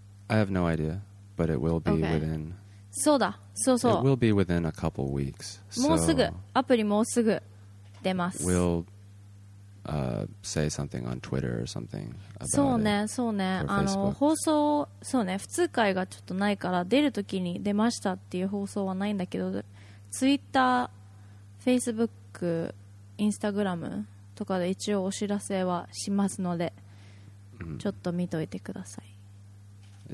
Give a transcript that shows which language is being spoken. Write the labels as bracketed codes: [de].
[en] I have no idea, but it will be、okay. within... [ja] そうだ、そうそう。 [en] It will be within a couple weeks. [ja] もうすぐ、アプリもうすぐ出ます。 [en] We'll、say something on Twitter or something about [ja] そうね、そうね。あの、放送、そうね、普通回がちょっとないから、出るときに出ましたっていう放送はないんだけど、Twitter、Facebook、Instagram とかで一応お知らせはしますので、ちょっと見といてください。